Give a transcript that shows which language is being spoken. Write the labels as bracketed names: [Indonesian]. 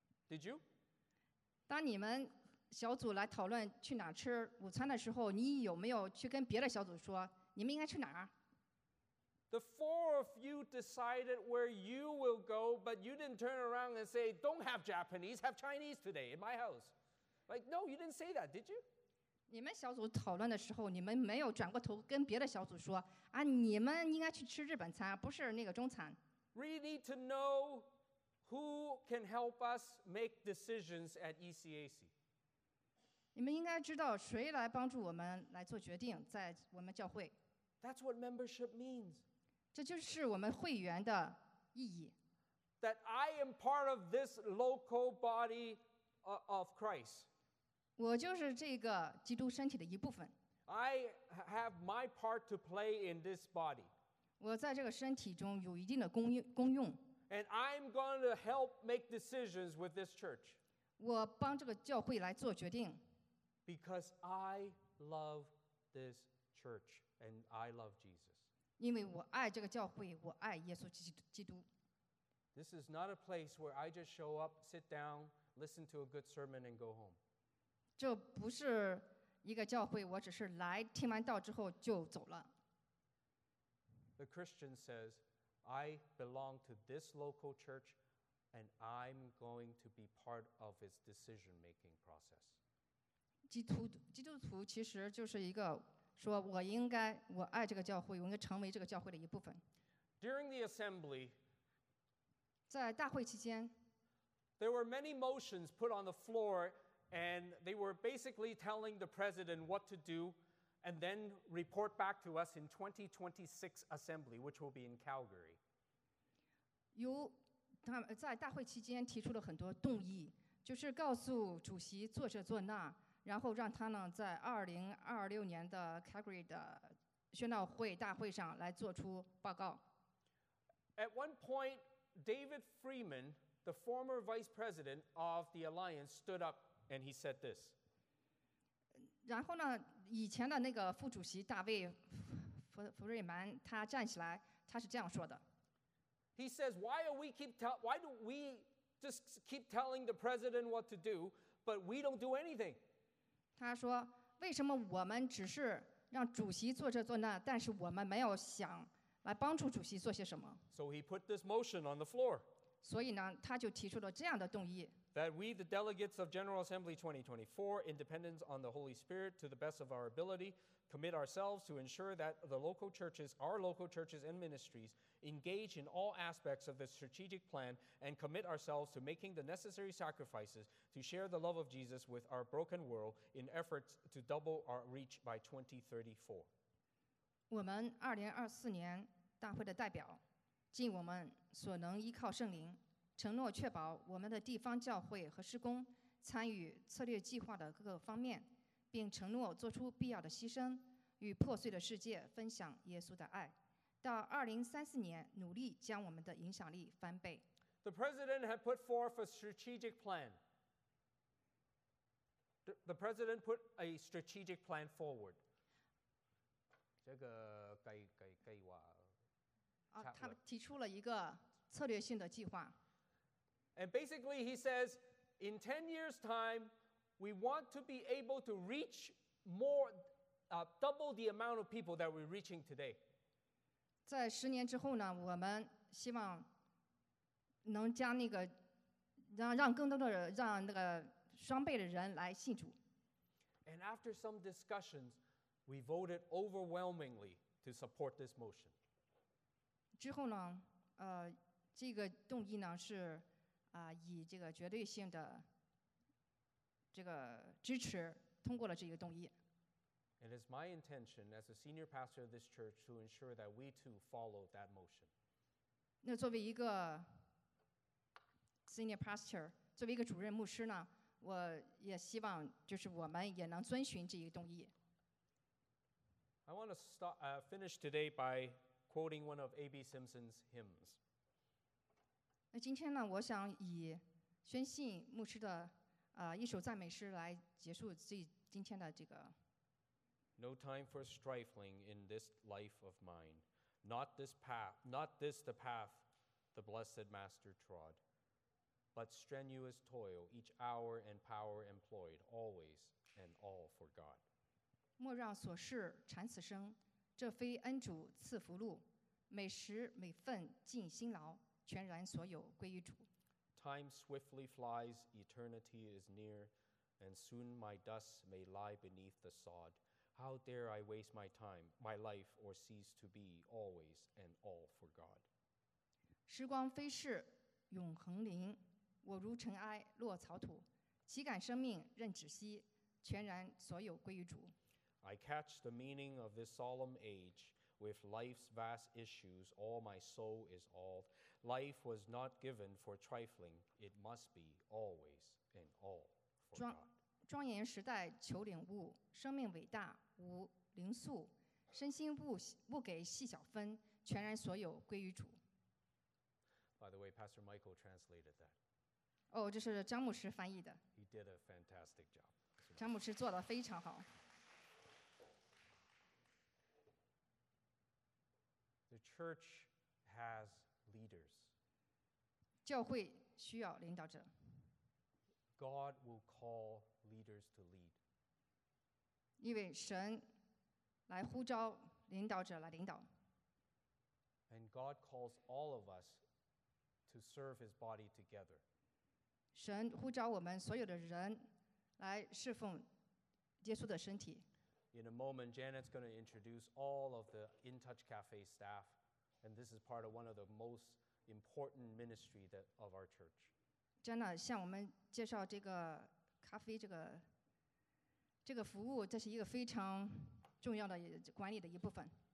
[English] Did you? [Chinese] 当你们小组来讨论去哪吃午餐的时候，你有没有去跟别的小组说你们应该去哪儿？ [English] The four of you decided where you will go, but you didn't turn around and say, "Don't have Japanese, have Chinese today in my house." Like, no, you didn't say that, did you? [Chinese] 你们小组讨论的时候，你们没有转过头跟别的小组说啊，你们应该去吃日本餐，不是那个中餐。 [English] We need to know who can help us make decisions at ECAC. [Chinese] 你们应该知道谁来帮助我们来做决定，在我们教会。 [English] That's what membership means. [Chinese] 这就是我们会员的意义。 [English] That I am part of this local body of Christ. [Chinese] 我就是这个基督身体的一部分。 [English] I have my part to play in this body. [Chinese] 我在这个身体中有一定的功用。 [English] And I'm going to help make decisions with this church. [Chinese] 我帮这个教会来做决定。 [English] Because I love this church and I love Jesus. [Chinese] 因为我爱这个教会，我爱耶稣基督。 [English] This is not a place where I just show up, sit down, listen to a good sermon, and go home. [Chinese] 这不是一个教会，我只是来听完道之后就走了。 [English] The Christian says, I belong to this local church, and I'm going to be part of its decision-making process. [Chinese] 基督徒其实就是一个说我应该，我爱这个教会，我应该成为这个教会的一部分。 [English] During the assembly, [Chinese] 在大会期间 [English] there were many motions put on the floor, and they were basically telling the president what to do, and then report back to us in 2026 assembly, which will be in Calgary. [Chinese] 在大会期间提出了很多动议，就是告诉主席做这做那，然后让他呢在2026年的 Calgary 的宣道会大会上来做出报告。 [English] At one point, David Freeman, the former vice president of the Alliance, stood up and he said this. [Chinese] 然后呢，以前的那个副主席大卫弗瑞曼，他站起来，他是这样说的。 [English] He says, why do we just keep telling the president what to do, but we don't do anything? [Chinese] 他说，为什么我们只是让主席做这做那，但是我们没有想来帮助主席做些什么。 [English] So he put this motion on the floor. [Chinese] 所以呢，他就提出了这样的动议。 [English] That we, the delegates of General Assembly 2024, in dependence on the Holy Spirit, to the best of our ability, commit ourselves to ensure that the local churches, our local churches and ministries, engage in all aspects of the strategic plan and commit ourselves to making the necessary sacrifices to share the love of Jesus with our broken world in efforts to double our reach by 2034. [Chinese] 我们2024年大会的代表，尽我们所能依靠圣灵。承诺确保我们的地方教会和施工参与策略计划的各个方面，并承诺做出必要的牺牲，与破碎的世界分享耶稣的爱。到2034年，努力将我们的影响力翻倍。 [English] The president had put forth a strategic plan. The president put a strategic plan forward. [Chinese] 这个计划。他提出了一个策略性的计划。 [English] And basically, he says, in 10 years' time, we want to be able to reach more, double the amount of people that we're reaching today. [Chinese] 在十年之后呢，我们希望能将那个让更多的人，让那个双倍的人来信主。 [English] And after some discussions, we voted overwhelmingly to support this motion. [Chinese] 之后呢，这个动议呢是。以这个绝对性的这个支持通过了这个动议。 [English] It is my intention as a senior pastor of this church to ensure that we too follow that motion. [Chinese] 那作为一个 senior pastor, 作为一个主任牧师呢，我也希望就是我们也能遵循这个动议。 [English] I want to start, finish today by quoting one of A.B. Simpson's hymns. [Chinese] 那今天呢，我想以宣信牧师的一首赞美诗来结束今天的这个。 [English] No time for strifling in this life of mine, not this path, not this the path the blessed master trod, but strenuous toil each hour and power employed, always and all for God. [Chinese] 莫让琐事缠此生，这非恩主赐福禄，每时每分尽辛劳。全然所有归于主。 [English] Time swiftly flies, eternity is near, and soon my dust may lie beneath the sod. How dare I waste my time, my life, or cease to be always and all for God? [Chinese] 时光飞逝，永恒临，我如尘埃落草土，岂敢生命任止息，全然所有归于主。 [English] I catch the meaning of this solemn age. With life's vast issues, all my soul is all. Life was not given for trifling. It must be always and all for God. [Chinese] 庄严时代求领悟，生命伟大无灵素，身心不给细小分，全然所有归于主。 [English] By the way, Pastor Michael translated that. [Chinese] 哦，这是张牧师翻译的。 [English] He did a fantastic job. [Chinese] 张牧师做得非常好。 [English] The church has leaders. [Chinese] 教会需要领导者。 [English] God will call leaders to lead. [Chinese] 因为神来呼召领导者来领导。 [English] And God calls all of us to serve His body together. [Chinese] 神呼召我们所有的人来侍奉耶稣的身体。 [English] In a moment, Janet's going to introduce all of the InTouch Cafe staff, and this is part of one of the most important ministry that of our church. [Chinese] Janet 向我们介绍这个咖啡这个服务，这是一个非常重要的管理的一部分。